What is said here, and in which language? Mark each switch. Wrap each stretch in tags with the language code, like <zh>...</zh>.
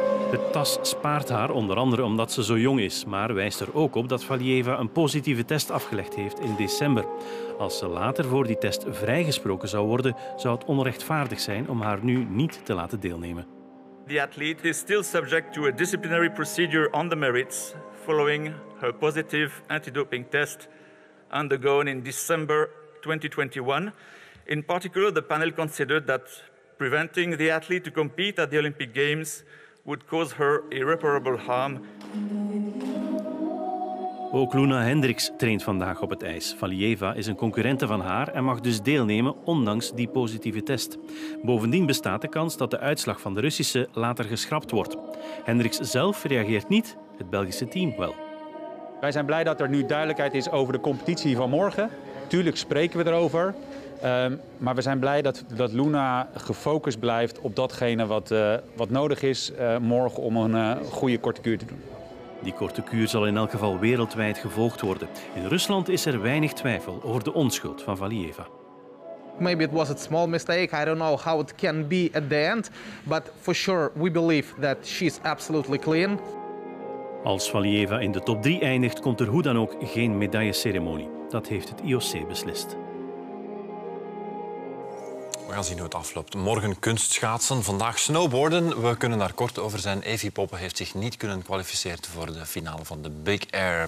<nl>De TAS spaart haar, onder andere omdat ze zo jong is, maar wijst er ook op dat Valieva een positieve test afgelegd heeft in december. Als ze later voor die test vrijgesproken zou worden, zou het onrechtvaardig zijn om haar nu niet te laten deelnemen.</nl> <en>The athlete is still subject to a disciplinary procedure on the merits following her positive antidoping test undergone in December 2021. In particular, the panel considered that preventing the athlete to compete at the Olympic Games would cause her irreparable harm.</en> <nl>Ook Luna Hendricks traint vandaag op het ijs. Valieva is een concurrente van haar en mag dus deelnemen ondanks die positieve test. Bovendien bestaat de kans dat de uitslag van de Russische later geschrapt wordt. Hendricks zelf reageert niet, het Belgische team wel. Wij zijn blij dat er nu duidelijkheid is over de competitie van morgen. Tuurlijk spreken we erover. Maar we zijn blij dat Luna gefocust blijft op datgene wat nodig is morgen om een goede korte kuur te doen. Die korte kuur zal in elk geval wereldwijd gevolgd worden. In Rusland is er weinig twijfel over de onschuld van Valieva.</nl> <en>Maybe it was a small mistake. I don't know how it can be at the end, but for sure we believe that she's absolutely clean.</en> <nl>Als Valieva in de top 3 eindigt, komt er hoe dan ook geen medailleceremonie. Dat heeft het IOC beslist. We gaan zien hoe het afloopt. Morgen kunstschaatsen, vandaag snowboarden. We kunnen daar kort over zijn. Evie Poppen heeft zich niet kunnen kwalificeren voor de finale van de Big Air.</nl>